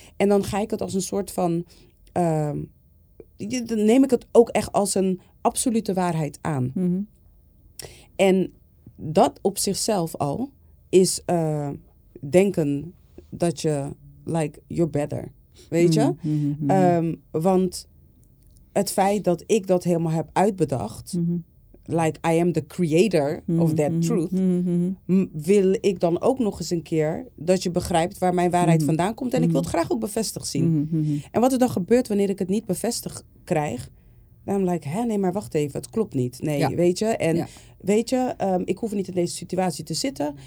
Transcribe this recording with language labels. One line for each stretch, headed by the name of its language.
Dutch: En dan ga ik het als een soort van, dan neem ik het ook echt als een absolute waarheid aan. Mm-hmm. En dat op zichzelf al is denken dat je,
English: like, you're better.
Dutch: Weet je? Mm-hmm. Want het feit dat ik dat helemaal heb uitbedacht... Mm-hmm.
English: Like, I am the creator of that truth. Mm-hmm.
Dutch: Wil ik dan ook nog eens een keer dat je begrijpt waar mijn waarheid vandaan komt. En ik wil het graag ook bevestigd zien. Mm-hmm. En wat er dan gebeurt wanneer ik het niet bevestigd krijg. Dan ben ik like, nee, maar wacht even. Het klopt niet. Nee, weet je. En weet je, ik hoef niet in deze situatie te zitten.